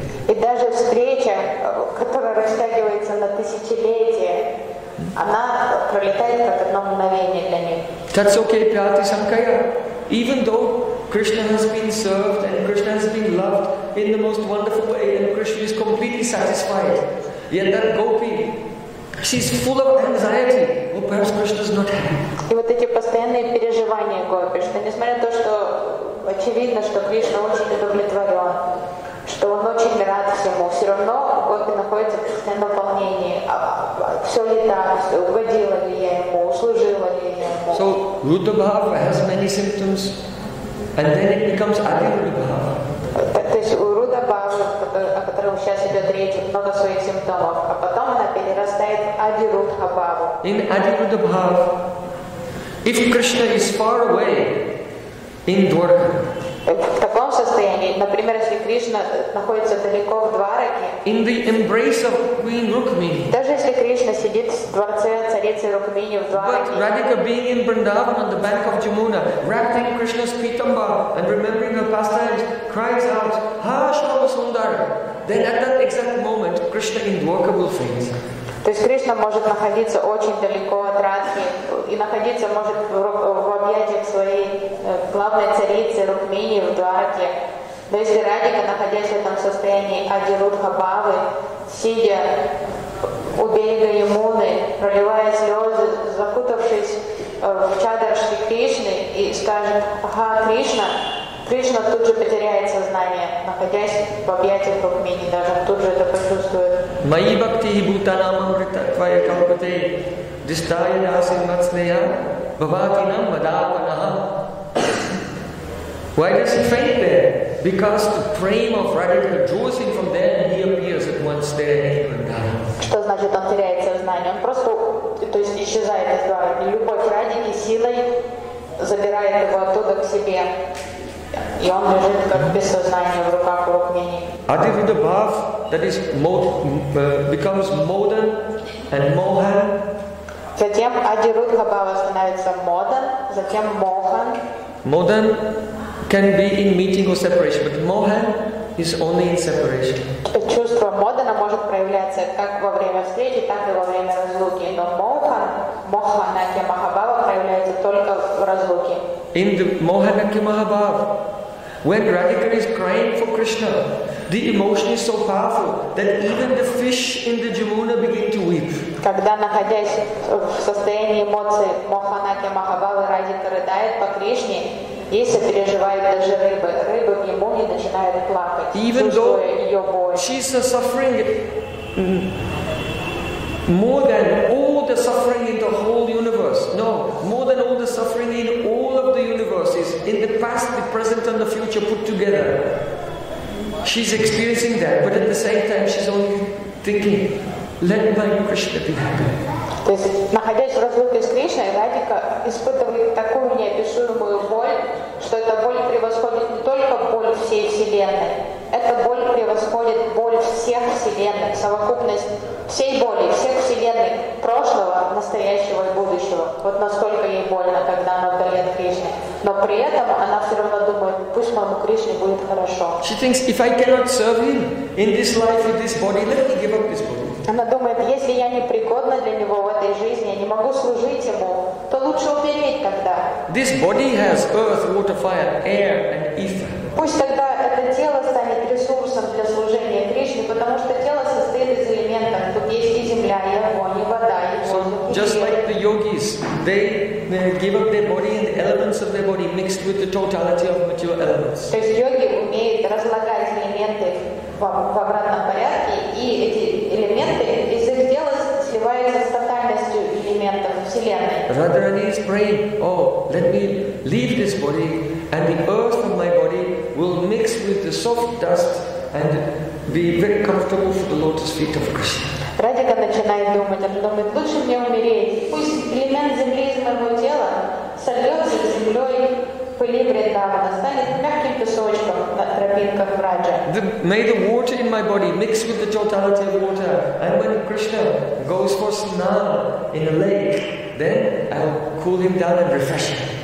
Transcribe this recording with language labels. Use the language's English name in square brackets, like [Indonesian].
[Russian] И даже встреча, которая растягивается на тысячелетия, она пролетает как одно мгновение для них. [English] That's okay, Pyati Sankaya. Even though Krishna has been served and Krishna has been loved in the most wonderful way and Krishna is completely satisfied, yet that gopi, she's full of anxiety. Well, perhaps Krishna is not happy. [Russian] И вот эти постоянные переживания гопи, что несмотря на то, что очевидно, что Кришна очень удовлетворен, что он очень рад всему, все равно гопи находится в постоянном волнении. Все ли так, все, угодила ли я ему, услужила ли я ему. [English] So, Rudra Bhava has many symptoms, and then it becomes Adirudra Bhava. [Russian] То есть у Rudra Bhava, о котором сейчас идет речь, много своих симптомов, а потом она перерастает в Adirudra Bhava. [English] In Adirudra Bhava, if Krishna is far away in Dwarka, [Russian] в таком состоянии, например, если Кришна находится далеко в Двараке, [English] in the embrace of Queen Rukmini, [Russian] даже если Кришна сидит в дворце царицы Рукмини в Двараке, [English] but Radhika being in Vrindavan on the bank of Jamuna, wrapped in Krishna's pitamba and remembering her pastimes, cries out, Ha Shama Sundara, then at that exact moment, Krishna in Dwarka will faint. [Russian] То есть Кришна может находиться очень далеко от Радхи и находиться может в объятиях своей главной царицы Рукмини в Двараке. Но если Радика, находясь в этом состоянии Адирудха Бхавы, сидя у берега Ямуны, проливая слезы, закутавшись в чадар Шри Кришны и скажет «Ага, Кришна», Кришна тут же потеряет сознание, находясь в объятиях Рукмини, даже тут же это почувствует. [Sanskrit] Мои бхакти бутанам амрита твая калпате дистая насин мацнея бхавати нам вадапанаха. [English] Why does he faint there? Because the frame of Radhika draws him from there and he appears at once there in Vrindavan. [Russian] Что значит он теряет сознание? Он просто, то есть исчезает из Двараки. Любовь Радхики силой забирает его оттуда к себе. И он лежит как без сознания в руках Рукмини. [English] Adirudra Bhav, that is becomes modern and mohan. [Russian] Затем Adirudra Bhav становится modern, затем mohan. [English] Modern can be in meeting or separation, but mohan is only in separation. [Russian] Чувство модена может проявляться как во время встречи, так и во время разлуки. Но mohan, mohanakya mahabhava проявляется только в разлуке. [English] In the mohanakya mahabhava, when Radhika is crying for Krishna, the emotion is so powerful that even the fish in the Jamuna begin to weep. [Russian] Когда находясь в состоянии эмоций Моханакья Махабхавы, Радхика рыдает по Кришне, ей сопереживают даже рыбы. Рыбы в Ямуне начинают плакать, [English] even [Russian] чувствуя ее боль. [English] She's suffering more than all the suffering in the whole universe. No, more than all the suffering in all of the universes, in the past, the present, and the future put together. She's experiencing that, but at the same time, she's only thinking, let my Krishna be happy. [Russian] То есть, находясь в разлуке с Кришной, Радика испытывает такую неописуемую боль, что эта боль превосходит не только боль всей Вселенной. Эта боль превосходит боль всех Вселенных, совокупность всей боли, всех Вселенных, прошлого, настоящего и будущего. Вот настолько ей больно, когда она вдали от Кришны. Но при этом она все равно думает, пусть моему Кришне будет хорошо. [English] She thinks, if I cannot serve him in this life, in this body, let me give up this body. [Russian] Она думает, если я непригодна для него в этой жизни, я не могу служить ему, то лучше умереть тогда. [English] This body has earth, water, fire, air and ether. [Russian] Пусть тогда это тело станет ресурсом для служения Кришне, потому что тело состоит из элементов. Тут есть и земля, и огонь, и вода, и воздух. [English] So, just like the yogis, they give up their body and the elements of their body mixed with the totality of material elements. [Russian] То есть йоги умеют разлагать элементы в обратном порядке, и эти элементы из их тела сливаются с тотальностью элементов Вселенной. [English] Radharani is praying, oh, let me leave this body and the earth of my body will mix with the soft dust and be very comfortable for the lotus feet of Krishna. [Russian] Radhika начинает думать, она думает, лучше мне умереть, пусть элемент земли из моего тела сольется с землей, пыли Вриндавана станет мягким песочком на тропинках Враджа. [English] May the water in my body mix with the totality of water. And when Krishna goes for snan in a lake, then I will cool him down and refresh him.